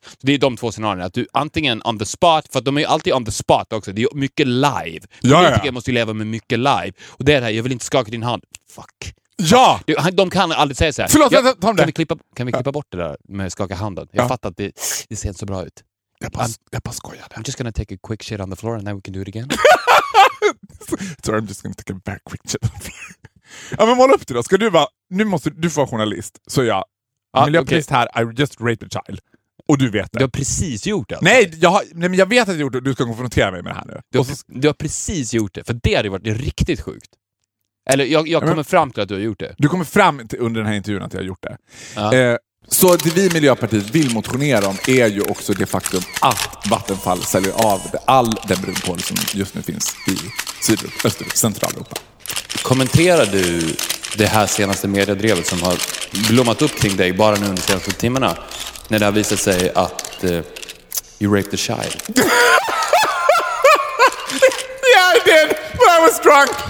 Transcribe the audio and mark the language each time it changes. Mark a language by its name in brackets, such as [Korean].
[Swedish] Så det är de två scenarierna. Att du antingen [English] on the spot, [Swedish] för att de är ju alltid on the spot också. Det är mycket live. Jag måste ju leva med mycket live. Och det är det här, jag vill inte skaka din hand. Fuck. Ja! De kan aldrig säga så här. Förlåt, jag, ta om det. Kan vi klippa bort det där med att skaka handen? Jag fattar att det ser inte så bra ut. Jag bara skojade. [English] I'm just gonna take a quick shit on the floor and then we can do it again. Sorry, I'm just gonna take a very quick shit on the floor. [Swedish] Ja, men måla upp det då. Ska du vara, nu måste du få vara journalist. Så ja. Miljöpartist här, [English] I just raped a child. [Swedish] Och du vet det. Du har precis gjort det. Alltså. Nej, men jag vet att jag gjort det. Du ska konfrontera mig med det här nu. Du har precis gjort det. För det hade varit riktigt sjukt. Eller jag kommer fram till att du har gjort det. Du kommer fram till under den här intervjun att jag har gjort det. Så det vi Miljöpartiet vill motionera om är ju också det faktum att Vattenfall säljer av all den brunkol som just nu finns i Sydöstern, Centraleuropa. Kommenterar du det här senaste mediedrevet som har blommat upp kring dig bara nu under de senaste timmarna när det har visat sig att [English] you raped a child? Yeah, I did, but I was drunk.